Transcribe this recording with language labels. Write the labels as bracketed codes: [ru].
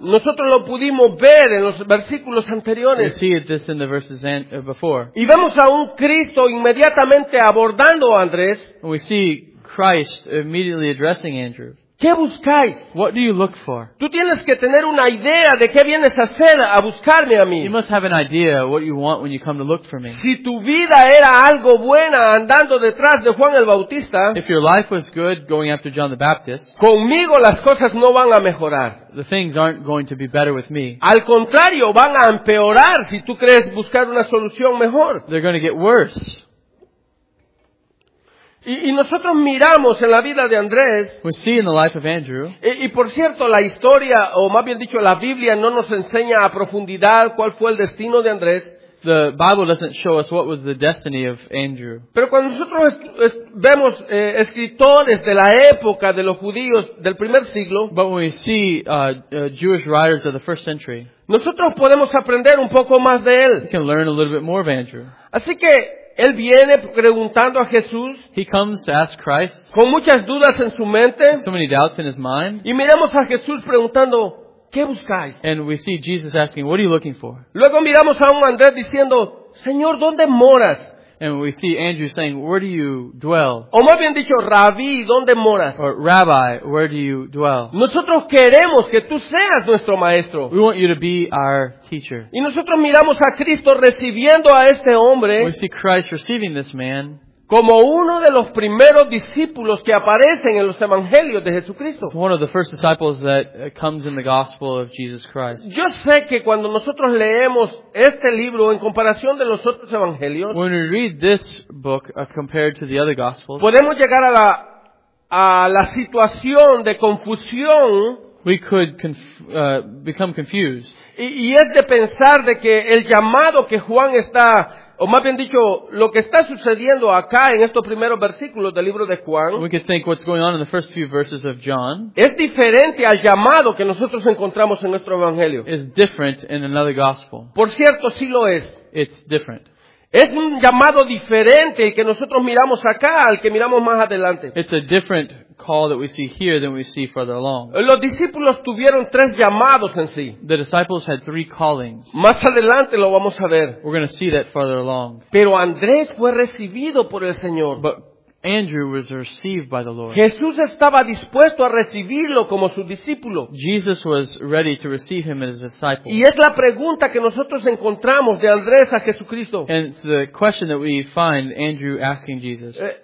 [es] Nosotros lo pudimos ver en los versículos anteriores. [en] We see this in the verses before. [es] Y vemos a un Cristo inmediatamente abordando a Andrés. [en] And we see Christ immediately addressing Andrew. [es] ¿Qué buscáis? [en] What do you look for? [es] Tú tienes que tener una idea de qué vienes a hacer a buscarme a mí. [en] You must have an idea what you want when you come to look for me. [es] Si tu vida era algo buena andando detrás de Juan el Bautista, [en] if your life was good going after John the Baptist, [es] conmigo las cosas no van a mejorar. [en] The things aren't going to be better with me. [es] Al contrario, van a empeorar si tú crees buscar una solución mejor. [en] They're going to get worse. [es] Y nosotros miramos en la vida de Andrés. [en] We see in the life of Andrew. [es] Y por cierto, la historia, o más bien dicho, la Biblia no nos enseña a profundidad cuál fue el destino de Andrés. [en] The Bible doesn't show us what was the destiny of Andrew. [es] Pero cuando nosotros vemos escritores de la época de los judíos del primer siglo, [en] but when we see Jewish writers of the first century, [es] nosotros podemos aprender un poco más de él. [en] We can learn a little bit more of Andrew. [es] Así que él viene preguntando a Jesús. [en] He comes to ask Christ, [es] con muchas dudas en su mente. [en] So many doubts in his mind. [es] Y miramos a Jesús preguntando, ¿qué buscáis? [en] And we see Jesus asking, what are you looking for? [es] Luego miramos a un Andrés diciendo, Señor, ¿dónde moras? [en] And we see Andrew saying, where do you dwell? [es] O más bien dicho, Rabí, ¿dónde moras? [en] Or Rabbi, where do you dwell? [es] Nosotros queremos que tú seas nuestro maestro. [en] We want you to be our teacher. [es] Y nosotros miramos a Cristo recibiendo a este hombre. [en] We see Christ receiving this man. [es] Como uno de los primeros discípulos que aparecen en los evangelios de Jesucristo. [en] One of the first disciples that comes in the gospel of Jesus Christ. [es] Yo sé que cuando nosotros leemos este libro en comparación de los otros evangelios, [en] when we read this book compared to the other gospels, [es] podemos llegar a la situación de confusión. [en] We could become confused. [es] Y es de pensar de que el llamado que Juan está, o más bien dicho, lo que está sucediendo acá en estos primeros versículos del libro de Juan, [en] we could think what's going on in the first few verses of John, [es] es diferente al llamado que nosotros encontramos en nuestro evangelio. [en] Is different in another gospel. [es] Por cierto, sí lo es. [en] It's different. [es] Es un llamado diferente el que nosotros miramos acá al que miramos más adelante. [en] It's a different call that we see here than we see further along. [es] Los discípulos tuvieron tres llamados en sí. [en] The disciples had three callings. [es] Más adelante lo vamos a ver. [en] We're going to see that further along. [es] Pero Andrés fue recibido por el Señor. [en] But Andrew was received by the Lord. [es] Jesús estaba dispuesto a recibirlo como su discípulo. [en] Jesus was ready to receive him as his disciple. [es] Y es la pregunta que nosotros encontramos de Andrés a Jesucristo. [en] And it's the question that we find Andrew asking Jesus.